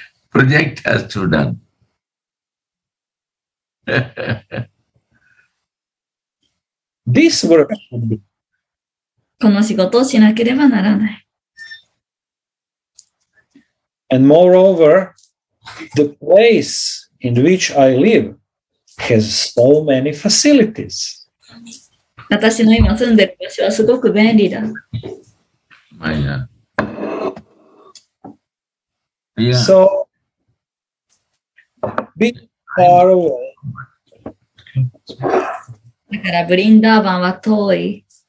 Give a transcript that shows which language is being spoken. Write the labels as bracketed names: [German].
[English] Project has to be done. This work should be done. [Japanese] この仕事をしなければならない。 [English] And moreover, the place in which I live has so many facilities. [Japanese] 私の今住んでる場所はすごく便利だ。 [English] Yeah. Yeah. So, being far away. [Japanese] だからブリンダーバンは遠い。